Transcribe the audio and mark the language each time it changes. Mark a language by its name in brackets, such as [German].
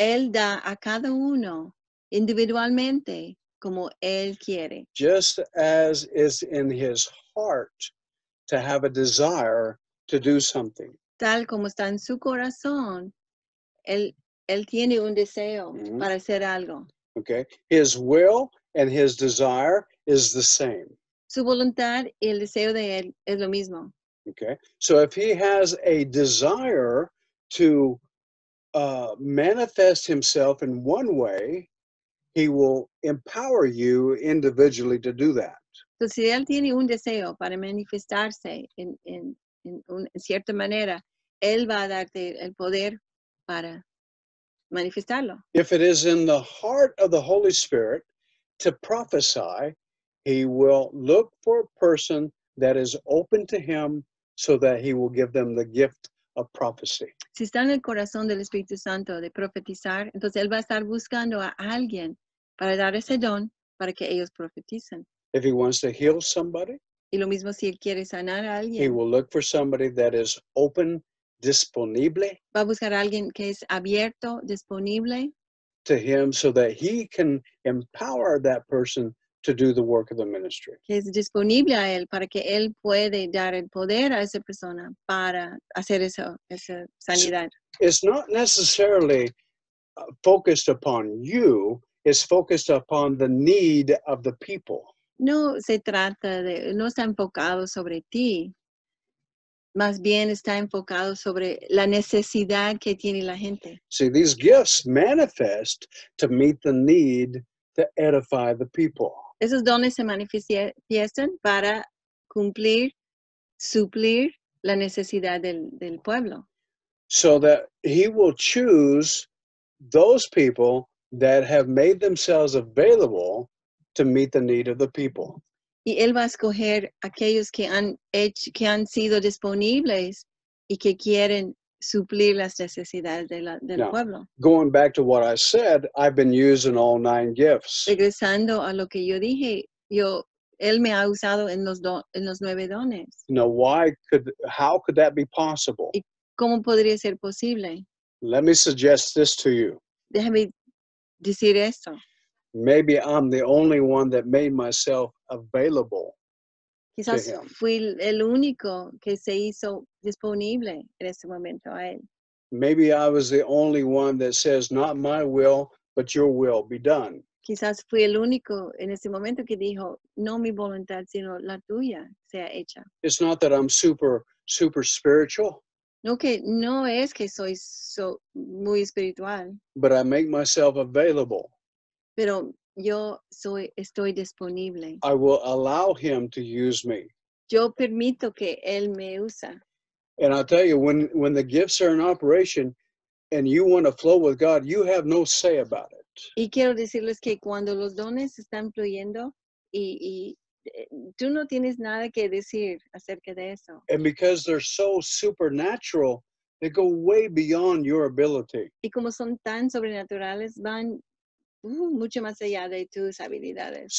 [Spanish] Él da a cada uno individualmente como él quiere. [English] Just as is in his heart to have a desire to do something. [Spanish] Tal como está en su corazón, él tiene un deseo mm-hmm. para hacer algo. [English] Okay, his will and his desire is the same. [Spanish] Su voluntad y el deseo de él es lo mismo. [English] Okay, so if he has a desire to manifest himself in one way, he will empower you individually to do that. [Spanish] Entonces, si él tiene un deseo para manifestarse en, en, en cierta manera, Él va a darte el poder para manifestarlo. [English] If it is in the heart of the Holy Spirit to prophesy, He will look for a person that is open to Him so that He will give them the gift of prophecy. [Spanish] Si está en el corazón del Espíritu Santo de profetizar, entonces Él va a estar buscando a alguien para dar ese don para que ellos profeticen. [English] If He wants to heal somebody, [Spanish] y lo mismo si Él quiere sanar a alguien, [English] He will look for somebody that is open, disponible, [Spanish] va a buscar a alguien que es abierto, disponible, [English] to Him so that He can empower that person to do the work of the ministry. [Spanish] Que es disponible a él para que él puede dar el poder a esa persona para hacer eso, esa sanidad. [English] So it's not necessarily focused upon you, it's focused upon the need of the people. [Spanish] No se trata de, no está enfocado sobre ti. Más bien está enfocado sobre la necesidad que tiene la gente. [English] See, these gifts manifest to meet the need to edify the people. [Spanish] Esos dones se manifiestan para cumplir, suplir la necesidad del pueblo. [English] So that He will choose those people that have made themselves available to meet the need of the people. [Spanish] Y Él va a escoger aquellos que han sido disponibles y que quieren suplir las necesidades del pueblo. [English] Going back to what I said, I've been using all 9 gifts. [Spanish] Regresando a lo que yo dije, Él me ha usado en los 9 dones. [English] Now, how could that be possible? [Spanish] ¿Y cómo podría ser posible? [English] Let me suggest this to you. [Spanish] Déjame decir esto. [English] Maybe I'm the only one that made myself available. [Spanish] Quizás fui el único que se hizo disponible en ese momento a él. [English] Maybe I was the only one that says, not my will, but your will be done. [Spanish] Quizás fui el único en ese momento que dijo, no mi voluntad, sino la tuya sea hecha. [English] It's not that I'm super, super spiritual. [Spanish] No es que soy muy espiritual. [English] But I make myself available. [Spanish] Pero estoy disponible. [English] I will allow Him to use me. [Spanish] Yo permito que Él me usa. [English] And I'll tell you, when the gifts are in operation and you want to flow with God, you have no say about it. [Spanish] Y quiero decirles que cuando los dones están fluyendo y tú no tienes nada que decir acerca de eso. [English] And because they're so supernatural, they go way beyond your ability. [Spanish] Y como son tan sobrenaturales, van mucho más allá de tus habilidades.